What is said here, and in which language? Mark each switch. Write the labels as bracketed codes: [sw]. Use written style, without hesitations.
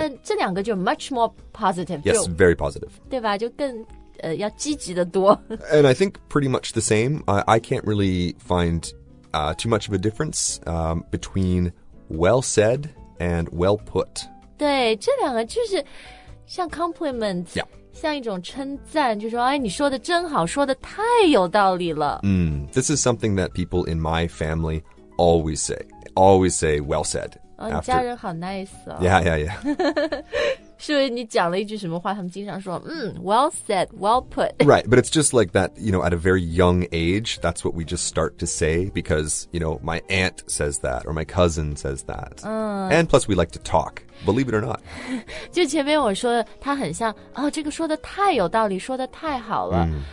[zh] 但这两个就 [en] much more positive yes very positive [zh] 对吧就更、要积极的多 [en] and I think pretty much the same I can't really find、too much of a difference、between well said and well put [zh] 对这两个就是像 compliment、 [en] yeah. [zh] 像一种称赞就说哎你说的真好说的太有道理了。 [en] This is something that people in my family always say well said. [zh] 你家人好 nice 哦。 [en] Yeah. [zh] 是不是你讲了一句什么话他们经常说 [en] well said, well put. Right, but it's just like that, you know, at a very young age, that's what we just start to say because, you know, my aunt says that or my cousin says that. And plus we like to talk. Believe it or not. [zh] 就前面我说他很像哦这个说的太有道理说的太好了。